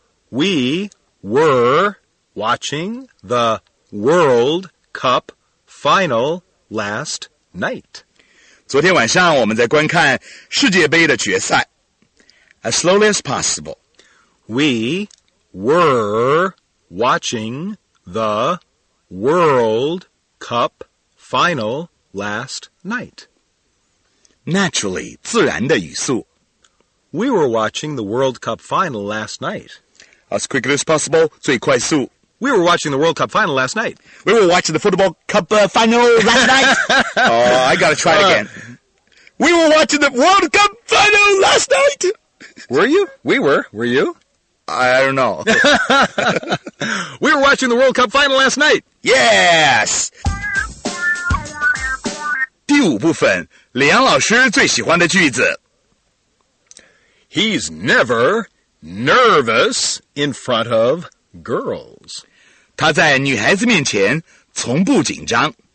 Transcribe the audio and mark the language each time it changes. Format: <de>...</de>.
<en>We were watching the World Cup final last night.</en> <zh>昨天晚上我们在观看世界杯的决赛。</zh> <en>As slowly as possible. We were watching the World Cup final last night. Naturally,</en> <zh>自然的语速。</zh> <en>We were watching the World Cup final last night. As quickly as possible,</en> <zh>最快速。</zh> <en>We were watching the World Cup final last night. We were watching the football cup final last night. Oh, I gotta try it again. We were watching the World Cup final last night. Were you? We were. Were you? I don't know. We were watching the World Cup final last night. Yes!</en> <zh>第五部分，李阳老师最喜欢的句子。</zh> <en>He's never nervous in front of girls.</en> <zh>他在女孩子面前从不紧张。</zh>